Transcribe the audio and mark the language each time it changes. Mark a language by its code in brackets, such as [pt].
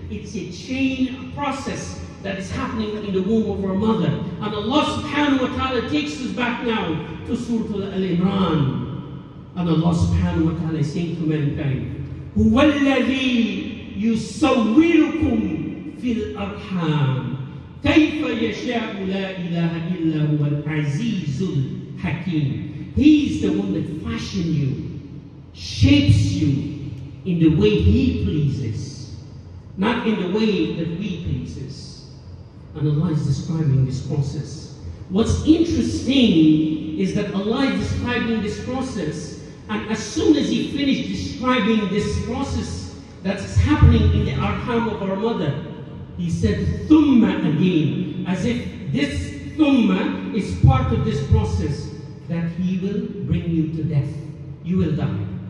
[en] It's a chain process that is happening in the womb of our mother. And Allah subhanahu wa ta'ala takes us back now to Surah Al-Imran. And Allah subhanahu wa ta'ala is saying to mankind, [ar] هُوَ الَّذِي يُصَوِّرُكُمْ فِي الْأَرْحَامِ كَيْفَ يَشَاءُ لَا إِلَهَ إِلَّا هُوَ الْعَزِيزُ الْحَكِيمُ. [en] He's the one that fashions you, shapes you in the way he pleases, not in the way that we pleases. And Allah is describing this process. What's interesting is that Allah is describing this process, and as soon as He finished describing this process that's happening in the arkham of our mother, He said thumma again, as if this thumma is part of this process, that He will bring you to death. You will die.